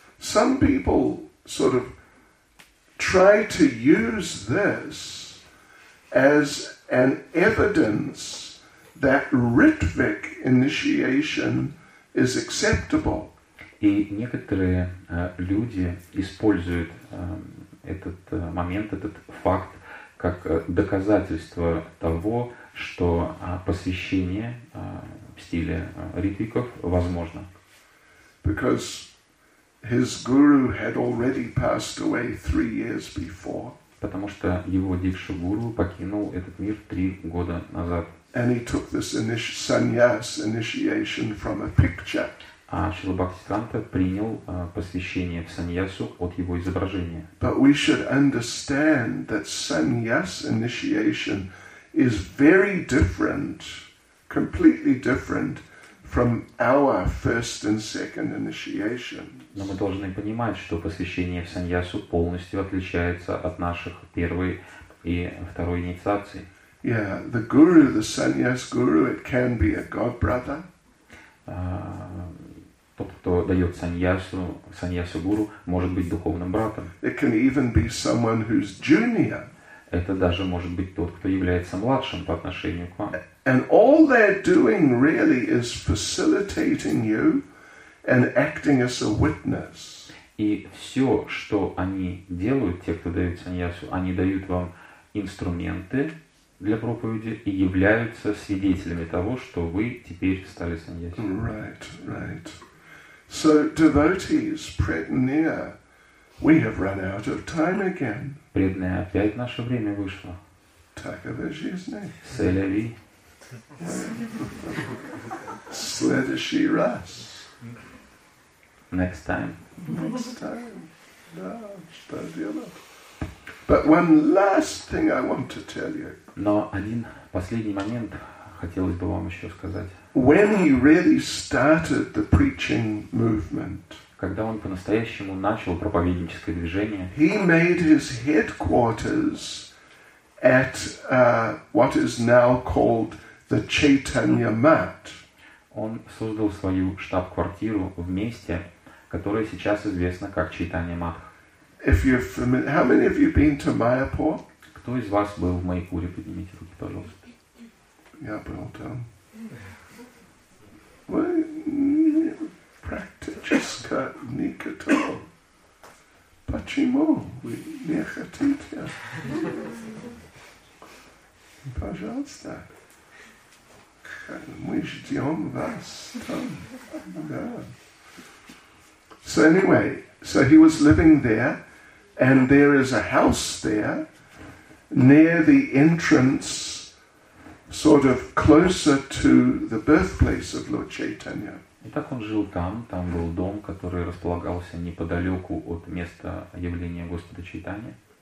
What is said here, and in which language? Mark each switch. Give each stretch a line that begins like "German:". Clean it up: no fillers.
English: Some people sort of try to use this as an evidence that ritvik initiation is acceptable.
Russian: И некоторые люди используют этот момент, этот факт, как доказательство того, что посвящение в стиле ритвиков возможно.
English: Because his guru had already passed away 3 years before.
Russian: Потому что его дикша гуру покинул этот мир 3 года назад.
English: And he took this sannyas initiation from a picture.
Russian: А Шрила Бхактисиддханта принял посвящение в саньясу от его изображения.
English: But we should understand that sannyas initiation is very different, completely different from our first and second initiations.
Russian: Но мы должны понимать, что посвящение в саньясу полностью отличается от наших первой и второй инициации.
English: Yeah, the guru, the sannyas guru, it can be a god brother.
Russian: Тот, кто дает саньясу гуру, может быть духовным братом.
English: It can even be someone who's junior.
Russian: Это даже может быть тот, кто является младшим по отношению к вам.
English: And all they're doing really is facilitating you and acting as a witness.
Russian: И все, что они делают, те, кто дает саньясу, они дают вам инструменты для проповеди и являются свидетелями того, что вы теперь стали саньяси.
English: Right, right. So, devotees, pret near, we have run out of time again.
Russian: Пред не опять наше время вышло. Таковежизне. Селеви. Следующий раз.
English: Next time. Next time.
Russian: Да, что делать?
English: But one last thing I want to tell you.
Russian: Но один последний момент хотелось бы вам еще сказать.
English: When he really started the preaching movement.
Russian: Когда он по-настоящему начал проповедническое движение.
English: He made his headquarters at what is now called the Chaitanya Mat.
Russian: Он создал свою штаб-квартиру в месте, которое сейчас известно как Чайтанья Матх.
English: If you're familiar, how many of you been to Mayapur?
Russian: Кто из вас был в Майпуре? Поднимите руки, пожалуйста. Я был там. Вы практически никто. Почему вы не хотите? Пожалуйста. Мы ждем вас там. Да.
English: So anyway, so he was living there. And there is a house there, near the entrance, sort of closer to the birthplace of Lord Chaitanya.
Russian: Итак, он жил там. Там был дом, который располагался неподалеку от места явления Господа Чайтанья.